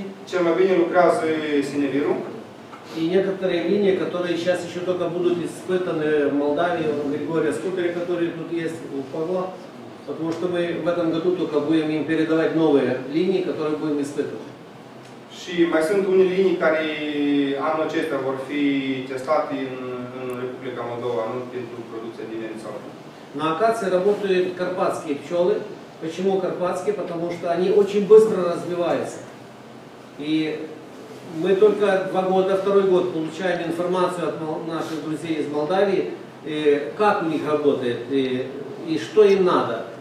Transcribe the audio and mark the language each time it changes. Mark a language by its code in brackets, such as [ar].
[ru] Чем обвинен украс синевиру? И некоторые линии, которые сейчас еще только будут испытаны в Молдавии, в Григории, скупере, которые тут есть у Павла. Потому что мы в этом году только будем им передавать новые линии, которые будем испытывать. [ro] Și mai sunt unele linii care anul acesta vor fi testate în Republica Moldova, nu pentru producția de miere sau. [ru] На акации работают карпатские пчелы. Почему карпатские? Потому что они очень быстро развиваются. И мы только два года, второй год получаем информацию от наших друзей из Молдавии, как у них работает и что им надо.